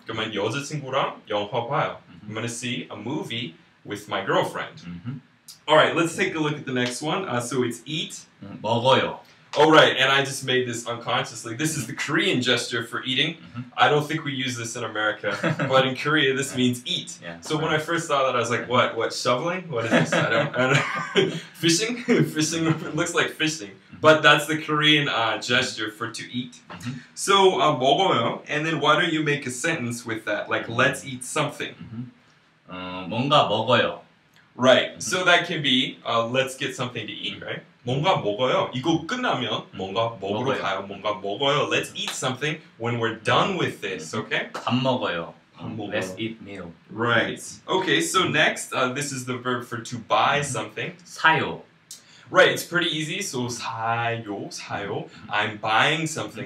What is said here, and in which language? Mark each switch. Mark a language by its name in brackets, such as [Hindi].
[Korean] 그러면 여자친구랑 영화 봐요. Mm-hmm. [English] I'm going to see a movie with my girlfriend. Mm-hmm. All right, let's take a look at the next one. So it's eat. [Korean] Mm-hmm. 먹어요. [English] Oh, right, and I just made this unconsciously. This is the Korean gesture for eating. Mm-hmm. I don't think we use this in America, but in Korea, this means eat. Yeah, so right. when I first saw that, I was like, what? What, shoveling? What is this? I don't fishing? Fishing looks like fishing. But that's the Korean gesture for to eat. Mm-hmm. [Korean] So, 먹어요. [English] And then why don't you make a sentence with that? Like, let's eat something. [Korean] Mm-hmm. 뭔가 먹어요. [English] Right. Mm-hmm. So that can be, let's get something to eat, right? [Korean] 뭔가 먹어요. 이거 끝나면 뭔가 먹으러 가요. 뭔가 먹어요. [English] Let's eat something when we're done with this, okay? [Korean] 밥 먹어요. 밥 먹어요. [English] Let's eat meal. Right. Okay, so next, this is the verb for to buy something. [Korean] 사요. [English] Right, it's pretty easy. So [Korean] 사요, 사요. [English] I'm buying something.